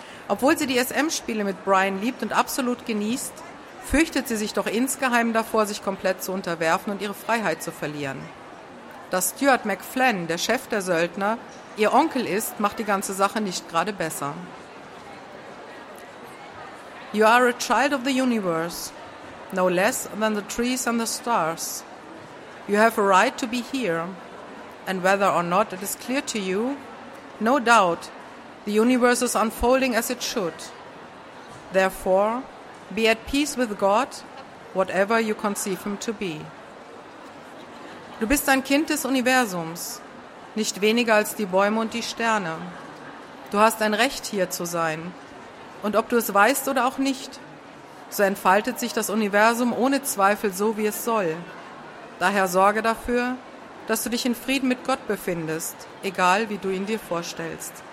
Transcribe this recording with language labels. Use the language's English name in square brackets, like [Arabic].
[German] Obwohl sie die SM-Spiele mit Brian liebt und absolut genießt, fürchtet sie sich doch insgeheim davor, sich komplett zu unterwerfen und ihre Freiheit zu verlieren. Dass Stuart McFlynn, der Chef der Söldner, ihr Onkel ist, macht die ganze Sache nicht gerade besser. [English] You are a child of the universe, no less than the trees and the stars. You have a right to be here, and whether or not it is clear to you, no doubt, the universe is unfolding as it should. Therefore, be at peace with God, whatever you conceive him to be. [German] Du bist ein Kind des Universums, nicht weniger als die Bäume und die Sterne. Du hast ein Recht, hier zu sein. Und ob du es weißt oder auch nicht, so entfaltet sich das Universum ohne Zweifel so, wie es soll. Daher sorge dafür, dass du dich in Frieden mit Gott befindest, egal wie du ihn dir vorstellst.